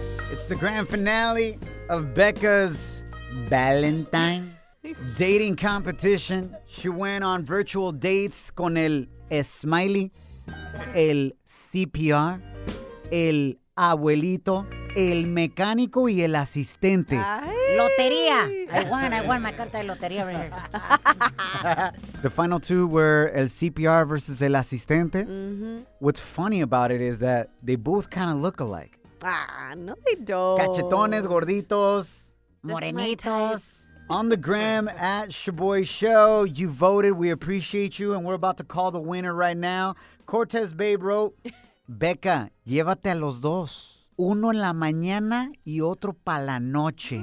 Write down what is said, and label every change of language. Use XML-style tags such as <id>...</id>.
<en>It's the grand finale of Becca's Valentine dating competition. She went on virtual dates</en> <es>con el smiley, el CPR, el abuelito, el mecánico y el asistente.</es> <en>Ay. Lotería. I won my</en> <es>carta de lotería</es> <en>right here. The final two were</en> <es>el CPR versus el asistente.</es> <en>Mm-hmm. What's funny about it is that they both kind of look alike. Ah, no they don't.</en> <es>Cachetones, gorditos.</es> <en>This morenitos. On the gram at Shaboy Show, you voted. We appreciate you. And we're about to call the winner right now. Cortez Babe wrote, Becca,</en> <es>llévate a los dos. Uno en la mañana y otro para la noche.</es>